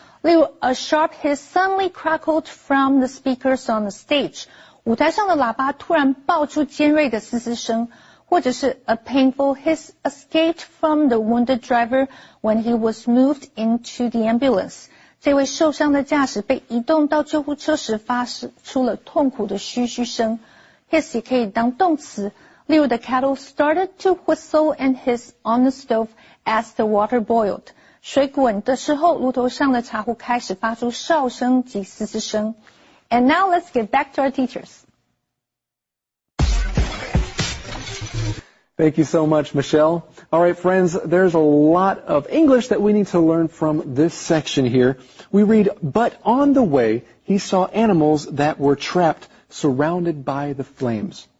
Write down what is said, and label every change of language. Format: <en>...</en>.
<zh>例如</zh> <en>A sharp hiss suddenly crackled from the speakers on the stage.</en> <zh>舞台上的喇叭突然爆出尖锐的嘶嘶声。或者是</zh> <en>a painful hiss escaped from the wounded driver when he was moved into the ambulance.</en> <zh>这位受伤的驾驶被移动到救护车时发出了痛苦的嘘嘘声。 Hiss 也可以当动词。例如</zh> <en>the kettle started to whistle and hiss on the stove as the water boiled.</en> <zh>水滚的时候炉头上的茶壶开始发出哨声及嘶嘶声。</zh> <en>And now let's get back to our teachers. Thank you so much, Michelle. All right, friends, there's a lot of English that we need to learn from this section here. We read, but on the way, he saw animals that were trapped, surrounded by the flames.</en>